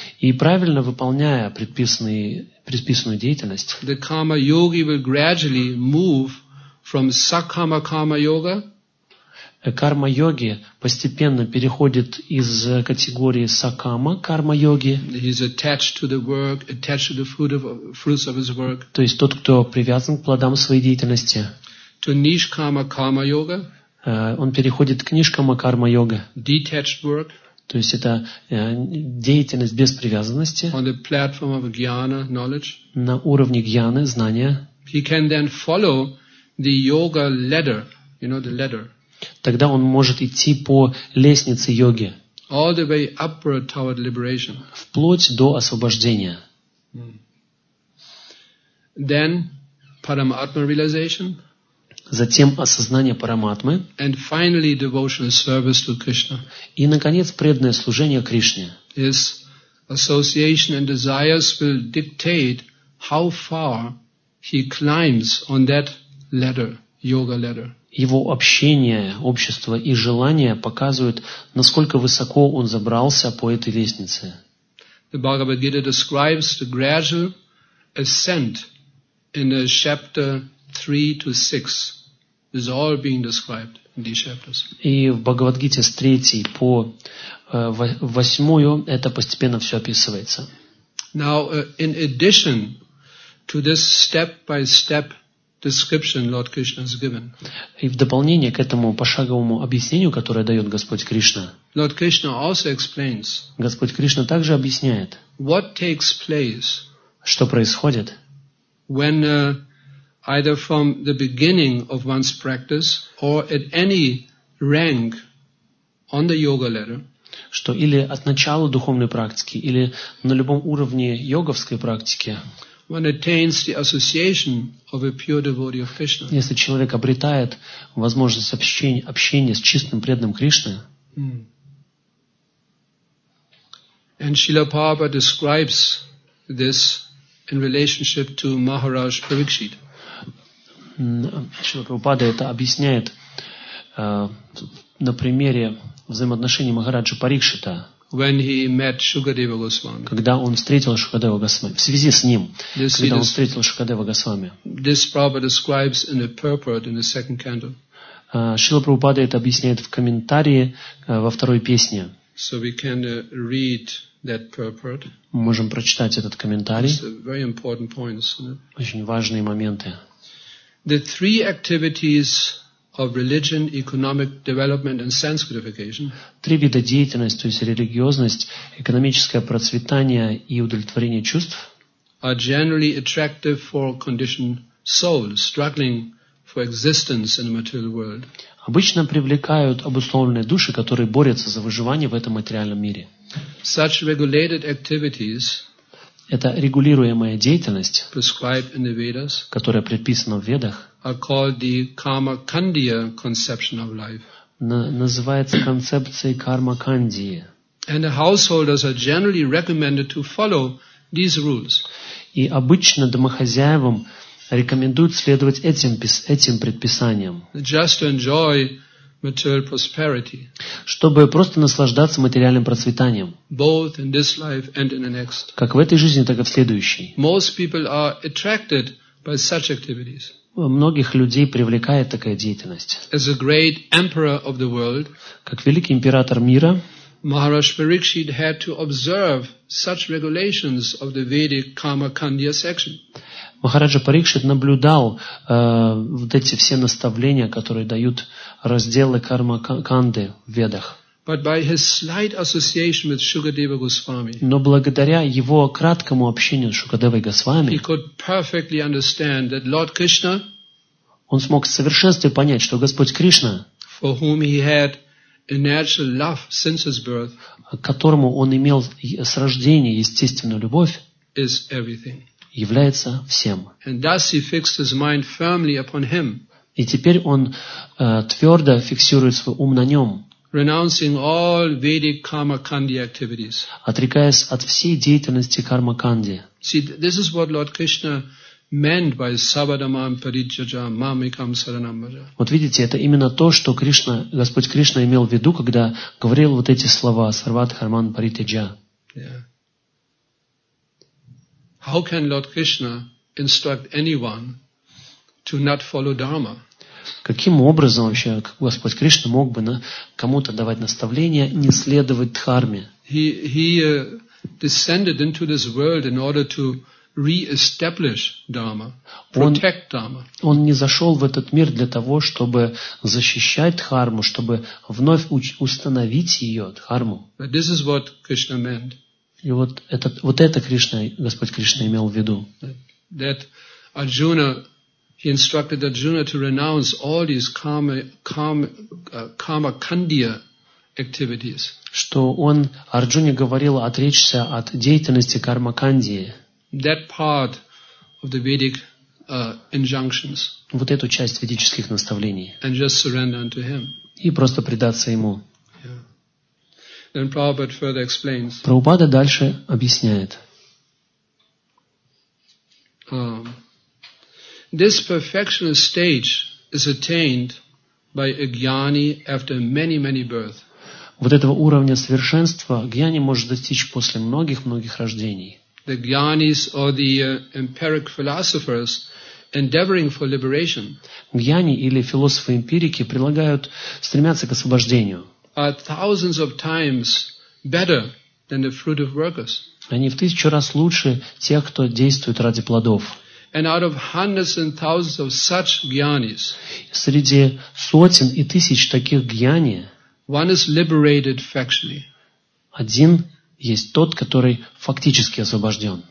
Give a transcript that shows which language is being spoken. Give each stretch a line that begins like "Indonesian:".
Russian: И правильно выполняя предписанную деятельность.
English: The karma yogi will gradually move from sakkama karma yoga.
Russian: Карма йоги постепенно переходит из категории сакама карма йоги.
English: He's attached to the work, attached to the fruits of his work.
Russian: То есть тот, кто привязан к плодам своей деятельности.
English: To nishkama karma yoga.
Russian: Он переходит к нишкама карма йога.
English: Detached work.
Russian: То есть это деятельность без привязанности.
English: On the platform of jnana, knowledge.
Russian: На уровне гьяны, знания.
English: He can then follow the yoga ladder, you know, the ladder.
Russian: Тогда он может идти по лестнице йоги.
English: All the way upward toward liberation.
Russian: Вплоть до освобождения.
English: Then Paramatma realization.
Russian: Затем осознание Параматмы.
English: And finally devotional service to Krishna.
Russian: И, наконец, преданное служение Кришне.
English: His association and desires will dictate how far he climbs on that ladder, yoga ladder.
Russian: Его общение, общество и желание показывают, насколько высоко он забрался по этой лестнице.
English: The Bhagavad Gita describes the gradual ascent in the chapter 3 to 6. Is all being described in these chapters.
Russian: И в Бхагавад-гите с 3 по 8 это постепенно все описывается.
English: Now, in addition to this step-by-step description Lord Krishna has given.
Russian: И в дополнение к этому пошаговому объяснению, которое дает Господь Кришна.
English: Lord Krishna also explains.
Russian: Господь Кришна также объясняет.
English: What takes place?
Russian: Что происходит?
English: When either from the beginning of one's practice or at any rank on the yoga ladder.
Russian: Что или от начала духовной практики, или на любом уровне йоговской практики.
English: One attains the association of a pure devotee of Krishna.
Russian: Если человек обретает возможность общения с чистым преданным Кришной.
English: And Srila Prabhupada describes this in relationship to Maharaj Parikshit.
Russian: Шрила Прабхупада это объясняет на примере взаимоотношений Махараджа Парикшита.
English: When he met Shukadeva Goswami.
Russian: Когда он встретил Шукадева Госвами. В связи с ним, когда он встретил Шукадева Госвами.
English: This Prabhupada describes in a purport in the second canto.
Russian: Шрила Прабхупада это объясняет в комментарии во второй песне.
English: So we can read that purport.
Russian: Мы можем прочитать этот комментарий.
English: It's very important points.
Russian: Очень важные моменты.
English: The three activities of religion, economic development, and sense gratification.
Russian: Три вида деятельности, то есть религиозность, экономическое процветание и удовлетворение чувств.
English: Are generally attractive for conditioned souls struggling for existence in the material world.
Russian: Обычно привлекают обусловленные души, которые борются за выживание в этом материальном мире.
English: Such regulated activities.
Russian: Это регулируемая деятельность,
English: prescribed in the Vedas,
Russian: которая предписана в Ведах,
English: are called the karma-kandiya conception of life.
Russian: Называется концепцией карма-кандии.
English: And the householders are generally recommended to follow these rules.
Russian: И обычно домохозяевам рекомендуют следовать этим предписаниям.
English: Just to enjoy material prosperity.
Russian: Чтобы просто наслаждаться материальным процветанием.
English: Both in this life and in the next.
Russian: Как в этой жизни, так и в следующей.
English: Most people are attracted by such activities.
Russian: Многих людей привлекает такая деятельность.
English: As a great emperor of the world,
Russian: как великий император мира,
English: Maharaj Parikshit had to observe such regulations of the Vedic Karma Kandya section.
Russian: Махараджа Парикшит наблюдал вот эти все наставления, которые дают разделы карма-канды в Ведах.
English: But by his slight association with Shukadeva Goswami,
Russian: но благодаря его краткому общению с Шукадевой Госвами,
English: he could perfectly understand that Lord Krishna,
Russian: он смог в совершенстве понять, что Господь Кришна,
English: for whom he had a natural love since his birth,
Russian: к которому он имел с рождения естественную любовь,
English: is everything.
Russian: Является всем.
English: And thus he fixed his mind firmly upon him.
Russian: И теперь он твердо фиксирует свой ум на нем.
English: Renouncing all Vedic karma kandi activities.
Russian: Отрекаясь от всей деятельности карма-канди.
English: See, this is what Lord Krishna meant by
Sanskrit: sabadamam parijaja mamikam saranam bhaja.
Russian: Вот видите, это именно то, что Кришна, Господь Кришна имел в виду, когда говорил вот эти слова
Sanskrit: sarvadharman parityaja.
English: How can Lord Krishna instruct anyone to not follow dharma?
Russian: Каким образом вообще Господь Кришна мог бы кому-то давать наставление не следовать дхарме?
English: He descended into this world in order to re-establish dharma, protect dharma.
Russian: Он не зашел в этот мир для того, чтобы защищать дхарму, чтобы вновь установить ее дхарму.
English: But this is what Krishna meant.
Russian: И вот это Кришна, Господь Кришна имел в виду.
English: That Arjuna, he instructed Arjuna to renounce all these karma-kandiya activities.
Russian: Что он Арджуне говорил отречься от деятельности карма-кандии.
English: That part of the Vedic injunctions.
Russian: Вот эту часть ведических наставлений.
English: And just surrender unto him.
Russian: И просто предаться ему.
English: Then Prabhupada further explains.
Russian: Прабхупада дальше объясняет.
English: This perfection stage is attained by a jnani after many births.
Russian: Вот этого уровня совершенства гьяни может достичь после многих рождений.
English: The jnanis or the empiric philosophers endeavoring for liberation.
Russian: Гьяни или философы эмпирики стремятся к освобождению.
English: Are thousands of times better than the fruit of workers.
Russian: Они в тысячу раз лучше тех, кто действует ради плодов.
English: And out of hundreds and thousands of such jnanis,
Russian: среди сотен и тысяч таких гьяни,
English: one is liberated factually.
Russian: Один есть тот, который фактически освобожден.